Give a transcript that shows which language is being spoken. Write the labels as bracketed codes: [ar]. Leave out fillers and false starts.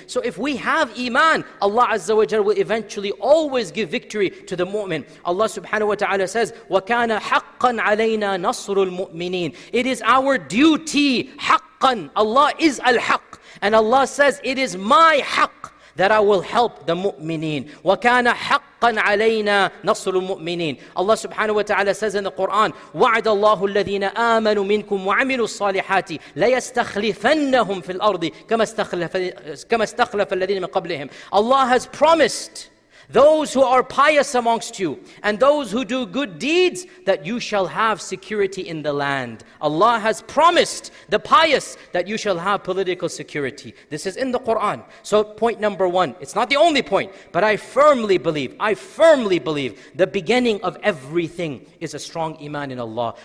[en] So if we have iman, Allah azza wa jalla will eventually always give victory to the mu'min. [ar] Allah subhanahu wa ta'ala says, وَكَانَ حَقًّا عَلَيْنَا نَصْرُ الْمُؤْمِنِينَ. [en] It is our duty, حَقًّا. Allah is al-haq. And Allah says, it is my haq that I will help the mu'mineen. [ar] وَكَانَ حَقًّا عَلَيْنَا نَصْرُ الْمُؤْمِنِينَ. Allah subhanahu wa ta'ala [en] says in the Quran, [ar] وَعَدَ اللَّهُ الَّذِينَ آمَنُوا مِنْكُمْ وَعَمِلُوا الصَّالِحَاتِ لَيَسْتَخْلِفَنَّهُمْ فِي الْأَرْضِ كَمَا اسْتَخْلَفَ الَّذِينَ مِنْ قَبْلِهِمْ. [en] Allah has promised those who are pious amongst you and those who do good deeds that you shall have security in the land. Allah has promised the pious that you shall have political security. This is in the Quran. So point number one, it's not the only point, but I firmly believe the beginning of everything is a strong iman in Allah.